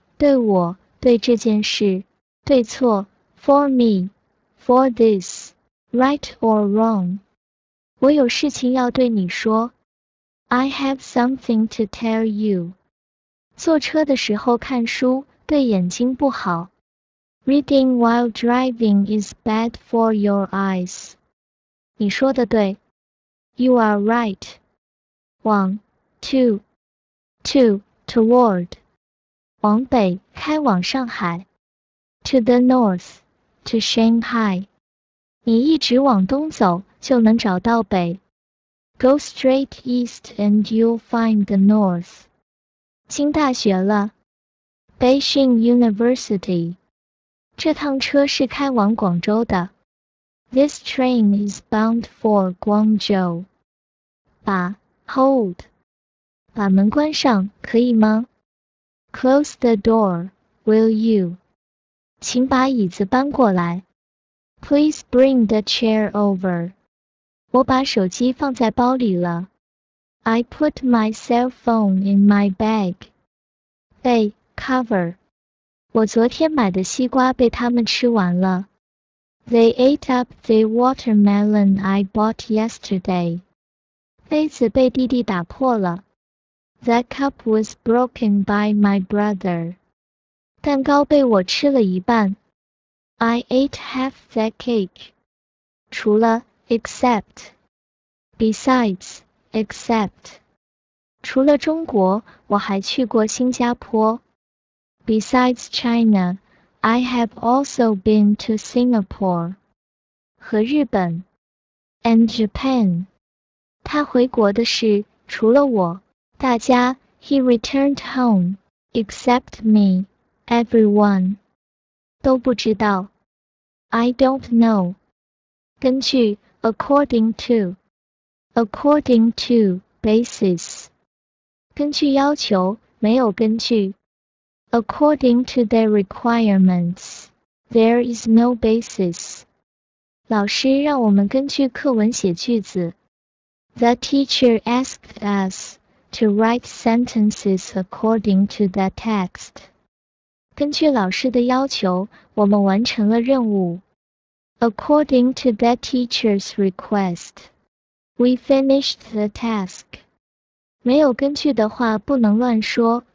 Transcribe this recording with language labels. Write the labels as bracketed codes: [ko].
[zh] 对我,对这件事,对错, [en] for me, for this, right or wrong. [zh] 我有事情要对你说。 [en] I have something to tell you. [zh] 坐车的时候看书,对眼睛不好。 [en] Reading while driving is bad for your eyes. [zh] 你说的对。 [en] You are right. 往 to, to, toward. [zh] 往北，开往上海。 [en] To the north, to Shanghai. [zh] 你一直往东走，就能找到北。 [en] Go straight east and you'll find the north. [zh] 进大学了。Beijing University. 这趟车是开往广州的。 [en] This train is bound for Guangzhou. [zh] 把 hold 把门关上，可以吗？ [en] Close the door, will you? [zh] 请把椅子搬过来。 [en] Please bring the chair over. [zh] 我把手机放在包里了。 [en] I put my cell phone in my bag. [zh] 被 cover。我昨天买的西瓜被他们吃完了。 They ate up the watermelon I bought yesterday. 杯子被弟弟打破了。 [en] That cup was broken by my brother. [zh] 蛋糕被我吃了一半。 [en] I ate half that cake. 除了 except, besides, except. [zh] 除了中国，我还去过新加坡。 [en] Besides China, I have also been to Singapore [zh] 和日本 [en] and Japan. [zh] 他回国的是除了我，大家 [en] he returned home, except me, everyone [zh] 都不知道。 [en] I don't know. 根据 according to basis [zh] 根据要求，没有根据。 [en] According to their requirements, there is no basis. [zh] 老师让我们根据课文写句子。 [en] The teacher asked us to write sentences according to the text. [zh] 根据老师的要求，我们完成了任务。 [en] According to the teacher's request, we finished the task. [zh] 没有根据的话，不能乱说。